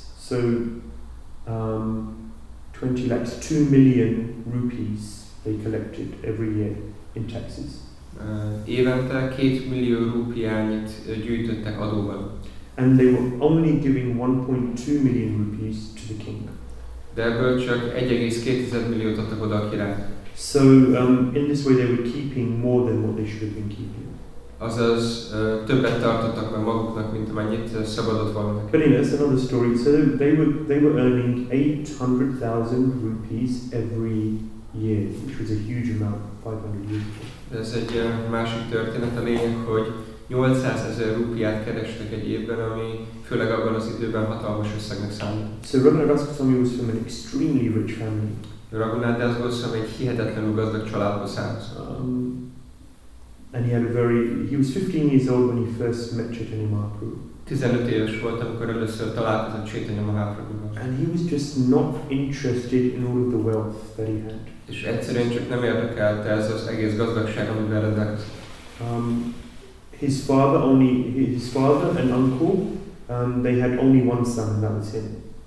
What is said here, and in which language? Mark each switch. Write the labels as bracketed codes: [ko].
[en] So 20 lakhs, 2 million rupees they collected every year in taxes. [hu] Évente 2 millió rupiányit gyűjtöttek adóval. [en] And they were only giving 1.2 million rupees to the king. [hu] De ebből csak 1,2 milliót adtak oda a király. [en] So in this way they were keeping more than what they should have been keeping. [hu] Azaz többet tartottak meg maguknak, mint amennyit szabadott volna. [en] But anyway, that's another story. So they were earning 800,000 rupees every year, which was a huge amount, 500 years. [hu] Ez egy másik történet, a lényeg, hogy 800,000 rupiát kerestek egy évben, ami főleg abban az időben hatalmas összegnek számít. [en] So Raghunath Das Goswami was from an extremely rich family. [hu] Raghunath Das Goswami egy hihetetlenül gazdag családból származott. [en] And he had a very, he was 15 years old when he first met Chaitanya Mahaprabhu. [hu] 15 éves volt, amikor először találkozott Chaitanya Mahaprabhuval. [en] And he was just not interested in all of the wealth that he had. [hu] És egyszerűen csak nem érdekelte ez az egész gazdagság, amivel rendelkezett. [en] His father and uncle, they had only one son, and that was him.